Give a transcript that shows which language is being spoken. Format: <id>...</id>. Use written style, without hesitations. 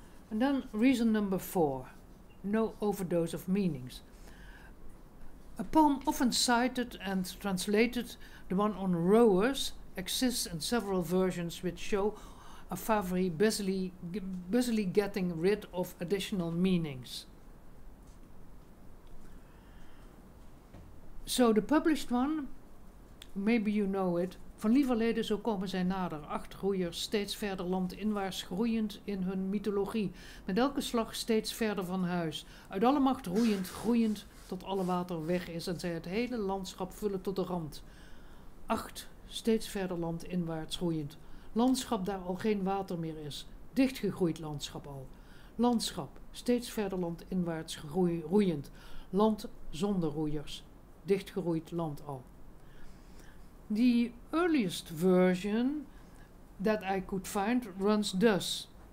<en>And then reason number four, no overdose of meanings. A poem often cited and translated, the one on rowers, exists in several versions which show a Favre busily getting rid of additional meanings. So the published one, maybe you know it,</en> <nl>van lieverlede zo komen zij nader, acht roeiers steeds verder landinwaarts groeiend in hun mythologie, met elke slag steeds verder van huis, uit alle macht roeiend, groeiend, tot alle water weg is en zij het hele landschap vullen tot de rand. Acht, steeds verder landinwaarts groeiend. Landschap daar al geen water meer is. Dichtgegroeid landschap al. Landschap, steeds verder landinwaarts groeiend. Land zonder roeiers. Dichtgegroeid land al.</nl> <en>The earliest version that I could find runs thus.</en>